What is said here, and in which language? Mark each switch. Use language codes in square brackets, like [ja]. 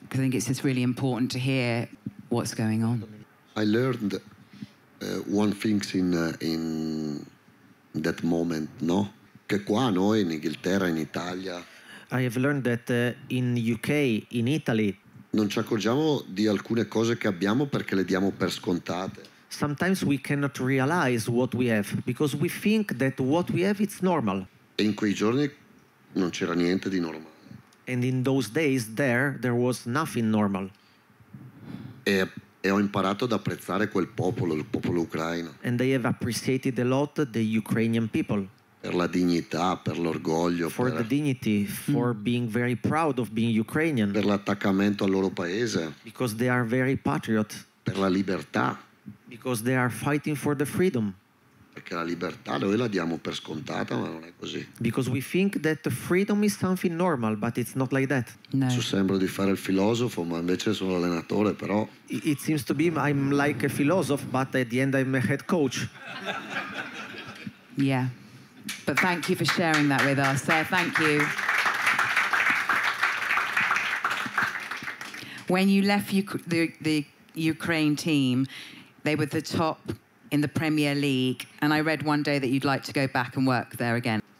[en] I think it's just really important to hear what's going on. I learned one thing in that moment, no? [it] Che qua noi in Inghilterra, in Italia. [en] I have learned that in UK, in Italy. [it] Non ci accorgiamo di alcune cose che abbiamo perché le diamo per scontate. [en] Sometimes we cannot realize what we have because we think that what we have is normal. [it] E in quei giorni non c'era niente di normale. [en] And in those days there was nothing normal. [it] E ho imparato ad apprezzare quel popolo, il popolo ucraino. [en] And I have appreciated a lot the Ukrainian people. [it] Per la dignità, per l'orgoglio. [en] For the dignity, for being very proud of being Ukrainian. [it] Per l'attaccamento al loro paese. [en] Because they are very patriot. [it] Per la libertà. [en] Because they are fighting for the freedom. [it] Perché la libertà noi la diamo per scontata, ma non è così. [en] Because we think that freedom is something normal, but it's not like that. [it] No. So sembro di fare il filosofo, ma invece sono l'allenatore, però. [en] It seems to be I'm like a philosopher, but at the end I'm a head coach. Yeah. But thank you for sharing that with us. Thank you. When you left the Ukraine team, they were the top in the Premier League, and I read one day that you'd like to go back and work there again.